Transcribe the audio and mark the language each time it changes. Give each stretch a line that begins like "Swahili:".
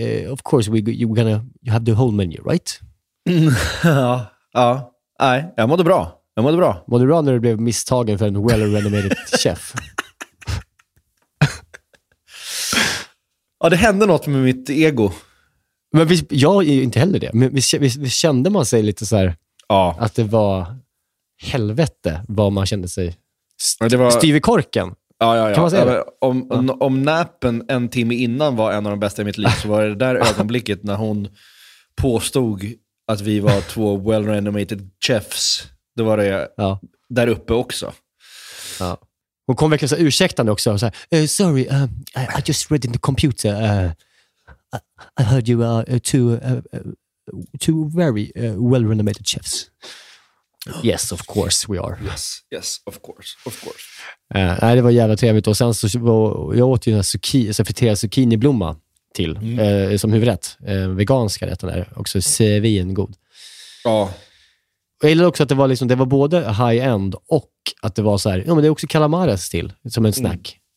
English: Of course, you're gonna have the whole menu, right?
Swedish: Ja, ja. Nej, jag mådde bra. Jag mådde bra. Mådde bra när du blev misstagen för en
English: well-renovated chef?
Swedish: Ja, det hände något med mitt ego. Men visst, jag är ju inte heller det. Men visst kände man sig lite så här, ja, att det var helvete vad man kände sig styv i korken. Ja, ja, ja. Kan man säga om näpen en timme innan var en av de bästa i mitt liv, så var det där ögonblicket när hon påstod att vi var två
English: well-renomated chefs.
Swedish: Då var det där uppe också. Ja. Hon kom verkligen så här ursäktande också. Så här,
English: sorry, I just read in the computer... I heard you are two very well-renovated chefs. Yes, of course we are. Yes, of course.
Swedish: Nej, det var jävla trevligt. Och sen så jag åt ju en friterad zucchiniblomma till, som huvudrätt. Veganska rätten där. Också svingod. Ja. Jag gillade också att det var liksom, det var både high-end och att det var så här, ja, men det är också calamares till, som en snack.